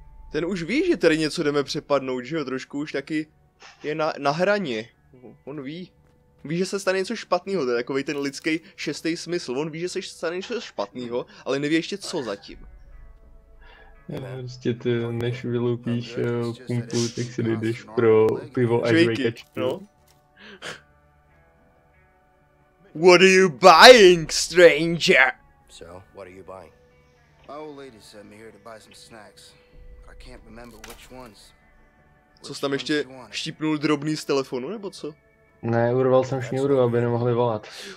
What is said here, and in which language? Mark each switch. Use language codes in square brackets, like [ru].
[cs] Ten už ví, že tady něco jdeme přepadnout, že jo, trošku už taky je na hraně, on ví. Ví, že se stane něco špatného, to je takový ten lidský šestý smysl. On ví, že se stane něco špatného, ale neví ještě co zatím. Ne, prostě ty, než vyloupíš pumpu, tak si jdeš pro pivo a žvejkačku. No. [en] What are you buying, stranger? So, what are you buying? My old lady sent me here to buy some snacks, but I can't remember which ones. [cs] Co jsi tam ještě štípnul drobný z telefonu, nebo co? Ne, urval jsem šňůru, aby nemohli volat.